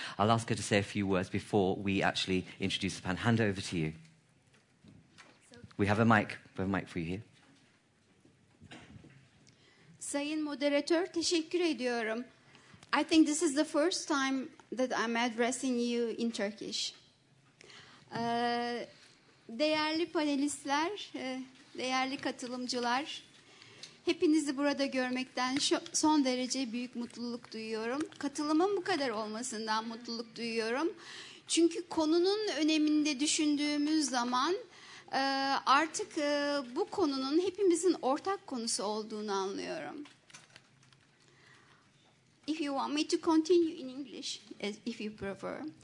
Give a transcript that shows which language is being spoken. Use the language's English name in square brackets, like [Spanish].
[English] I'll ask her to say a few words before we actually introduce the panel. Handa, over to you. We have a mic for you here. [Turkish] Sayın moderator, teşekkür ediyorum. [English] I think this is the first time that I'm addressing you in Turkish. [Turkish] Değerli panelistler, değerli katılımcılar, hepinizi burada görmekten son derece büyük mutluluk duyuyorum. Katılımın bu kadar olmasından mutluluk duyuyorum. Çünkü konunun öneminde düşündüğümüz zaman artık bu konunun hepimizin ortak konusu olduğunu anlıyorum. [English] If you want me to continue in English, if you prefer.